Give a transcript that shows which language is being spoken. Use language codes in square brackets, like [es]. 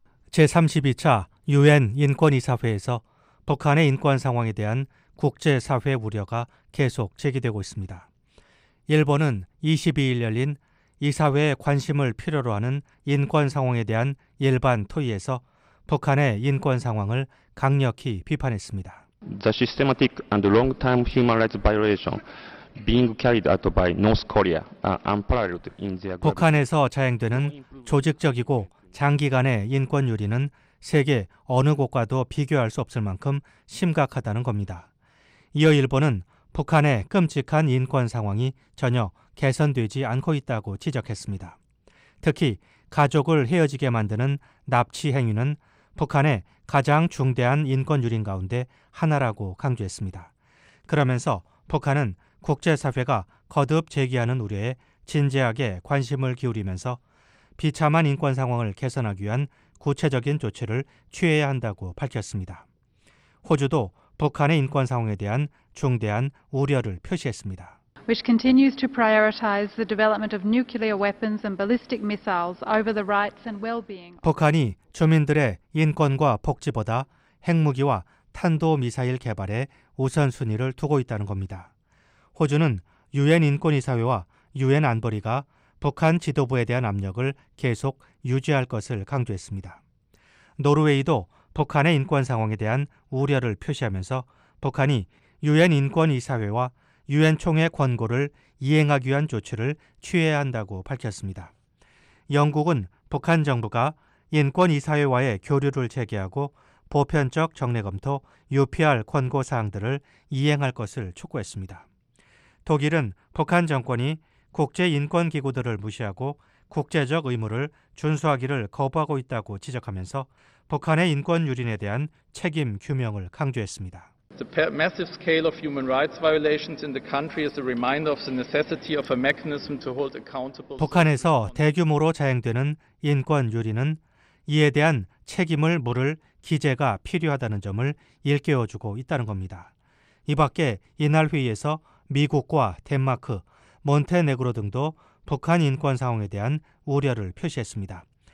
[ko] 제32차 유엔 인권이사회에서 북한의 인권 상황에 대한 국제사회 우려가 계속 제기되고 있습니다. 일본은 22일 열린 이사회의 관심을 필요로 하는 인권 상황에 대한 일반 토의에서 북한의 인권 상황을 강력히 비판했습니다. [en] The systematic and long-term human rights violation being carried out by North Korea are unparalleled in their gravity. [ko] 북한에서 자행되는 조직적이고 장기간의 인권 유린은 세계 어느 곳과도 비교할 수 없을 만큼 심각하다는 겁니다. 이어 일본은 북한의 끔찍한 인권 상황이 전혀 개선되지 않고 있다고 지적했습니다. 특히 가족을 헤어지게 만드는 납치 행위는 북한의 가장 중대한 인권 유린 가운데 하나라고 강조했습니다. 그러면서 북한은 국제사회가 거듭 제기하는 우려에 진지하게 관심을 기울이면서 비참한 인권 상황을 개선하기 위한 구체적인 조치를 취해야 한다고 밝혔습니다. 호주도 북한의 인권 상황에 대한 중대한 우려를 표시했습니다. [en] Which continues to prioritize the development of nuclear weapons and ballistic missiles over the rights and well-being. [ko] 북한이 주민들의 인권과 복지보다 핵무기와 탄도 미사일 개발에 우선순위를 두고 있다는 겁니다. 호주는 유엔 인권이사회와 유엔 안보리가 북한 지도부에 대한 압력을 계속 유지할 것을 강조했습니다. 노르웨이도 북한의 인권 상황에 대한 우려를 표시하면서 북한이 유엔 인권이사회와 유엔 총회 권고를 이행하기 위한 조치를 취해야 한다고 밝혔습니다. 영국은 북한 정부가 인권이사회와의 교류를 재개하고 보편적 정례검토 UPR 권고 사항들을 이행할 것을 촉구했습니다. 독일은 북한 정권이 국제인권기구들을 무시하고 국제적 의무를 준수하기를 거부하고 있다고 지적하면서 북한의 인권 유린에 대한 책임 규명을 강조했습니다. [en] The massive scale of human rights violations in the country is a reminder of the necessity of a mechanism to hold accountable. [ko] 북한에서 대규모로 자행되는 인권 유린은 이에 대한 책임을 물을 기재가 필요하다는 점을 일깨워주고 있다는 겁니다. 이 밖에 이날 회의에서 미국과 덴마크, 몬테네그로 등도 북한 인권 상황에 대한 우려를 표시했습니다.